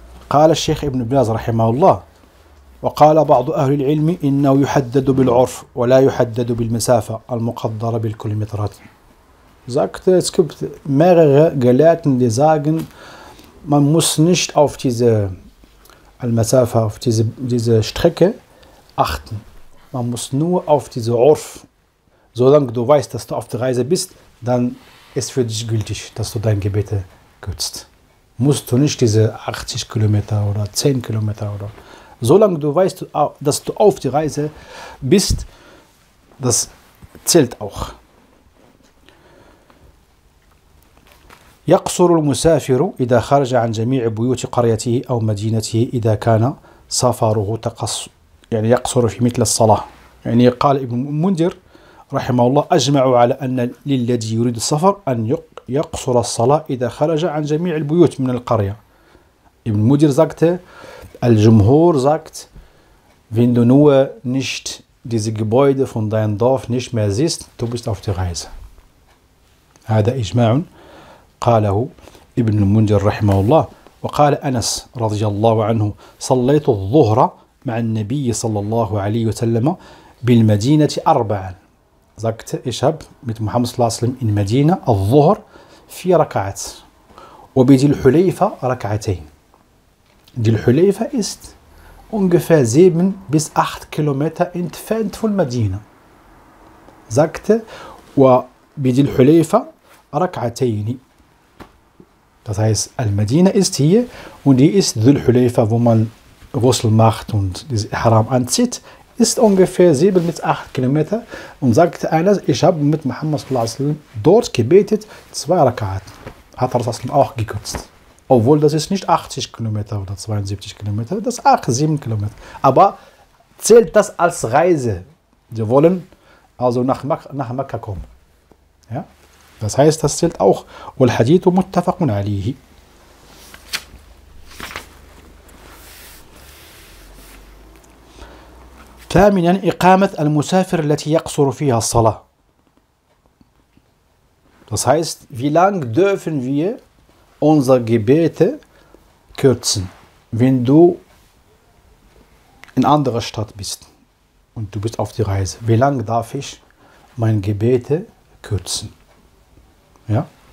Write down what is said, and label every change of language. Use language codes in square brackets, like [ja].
[ar] قال الشيخ ابن باز رحمه الله وقال بعض أهل العلم إنه يحدد بالعرف ولا يحدد بالمسافة المقدرة بالكيلومترات. [de] Sagt, es gibt mehrere Gelehrten, die sagen, man muss nicht auf diese المسافة, auf diese Strecke achten. Man muss nur auf diese عرف. Solange du weißt, dass du auf der Reise bist, dann ist für dich gültig, dass du dein Gebete kürzt. Musst du nicht diese 80 Kilometer oder 10 Kilometer oder solange du weißt, dass du auf die Reise bist, das zählt auch. [ar] يقصر المسافر إذا خرج عن جميع بيوت قريته أو مدينته إذا كان سفره تقص يعني يقصر في مثل الصلاة يعني قال ابن منذر رحمه الله أجمع على أن للذي يريد السفر أن يقصر الصلاة إذا خرج عن جميع البيوت من القرية. [de] ابن مدير sagte, الجمهور sagt, wenn du nur nicht diese Gebäude von deinem Dorf nicht mehr siehst, du bist auf der Reise. [ar] هذا إجماع قاله ابن مدير رحمه الله. وقال أنس رضي الله عنه صليت الظهر مع النبي صلى الله عليه وسلم بالمدينة أربعا. [de] Sagte, ich habe mit Muhammad [ar] صلى الله عليه وسلم [de] in Medina [ar] الظهر في ركعات وبذي الحليفة ركعتين. [de] ذي الحليفة ist ungefähr 7 bis 8 Kilometer entfernt von Medina. Sagte, [ar] وبذي الحليفة ركعتين. [de] Das heißt, Al-Medina ist hier und hier ist ذي الحليفة, wo man Ghusl macht und das Ihram anzieht. Ist ungefähr 7 bis 8 Kilometer und sagte einer, ich habe mit Muhammad dort gebetet, 2 Rakat. Hat er das auch gekürzt. Obwohl das ist nicht 80 Kilometer oder 72 Kilometer, das ist 8, 7 Kilometer. Aber zählt das als Reise? Sie wollen also nach Mekka kommen. Ja? Das heißt, das zählt auch. [ar] Al-Hadith muttafaqun alihi. ثامنا إقامة المسافر التي يقصر فيها الصلاة. [de] Das heißt, wie lang dürfen wir unsere Gebete kürzen, wenn du in anderer Stadt bist und du bist auf die Reise? Wie lang darf ich mein Gebete kürzen? Ja.